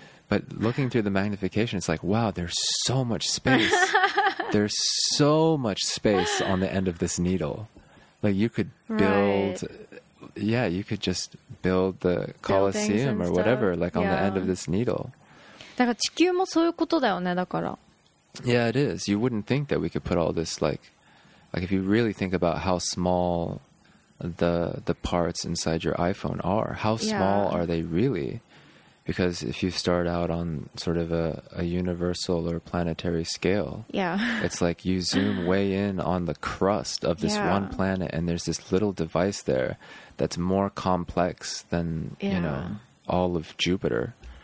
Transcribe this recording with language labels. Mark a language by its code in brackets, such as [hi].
[en] But looking through the magnification, it's like, wow, there's so much space. There's so much space on the end of this needle. Like you could build, right. Yeah, you could just build the Colosseum or whatever, like on the end of this needle. [ja] だから地球もそういうことだよね、だから。 [en] Yeah, it is. You wouldn't think that we could put all this like if you really think about how small the parts inside your iPhone are, how small are they really? Because if you start out on sort of a universal or planetary scale, it's like you zoom way in on the crust of this one planet and there's this little device there that's more complex than, you know, all of Jupiter.